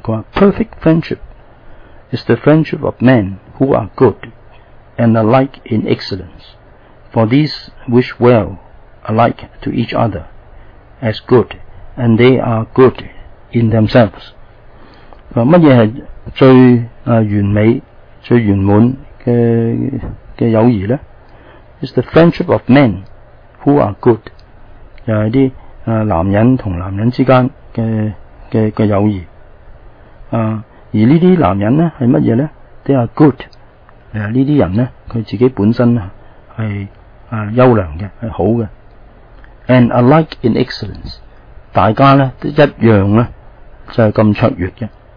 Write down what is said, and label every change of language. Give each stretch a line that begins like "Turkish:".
Cantonese: 佢话
English: perfect friendship is the friendship of men who are good and alike in excellence。 For these wish well alike to each other as good, and they are good in themselves。
Cantonese: 乜嘢是最完美最圆满 的友谊呢？
English: It's the friendship of men who are good。
Cantonese: 就是一些男人和男人之间 的友谊。而这些男人呢是乜嘢呢？
English: They are good。
Cantonese: 这些人呢他自己本身是优良嘅，系好嘅。
English: And alike in excellence，
Cantonese: 大家咧都一样咧，就系咁卓越嘅。